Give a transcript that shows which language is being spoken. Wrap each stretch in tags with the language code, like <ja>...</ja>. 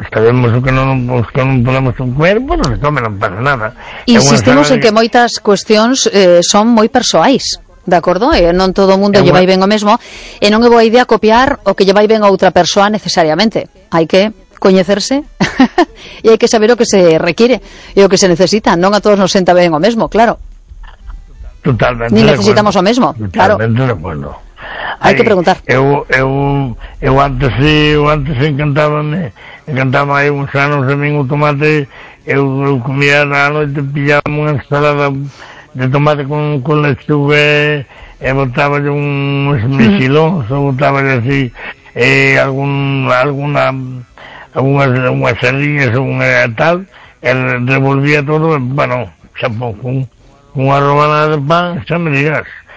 <es>Sabemos que no podemos comer, bueno, se come, no pasa nada. Insistimos en que muchas cuestiones son muy personales, ¿de acuerdo? No todo el mundo lleva y ven lo mismo. Y no es buena idea copiar o que lleva y ven a otra persona necesariamente. Hay que</es> <gl>coñecerse e hai que saber o que se require e o que se necesita. Non a todos nos senta ben o mesmo, claro. Totalmente. Ni necesitamos o mesmo, totalmente, claro.</gl> <es>Totalmente de acuerdo. Hay que preguntar.</es> <gl>Eu antes encantaba aí uns anos a mim o tomate. Eu comia à noite, pillaba unha ensalada de tomate con lechuga e botaba-lhe uns mexilóns, ou botaba-lhe así algunhas sardinhas ou unha tal, e revolvía todo, bueno, xa pon unha rebanada de pan, xa me digas.</gl>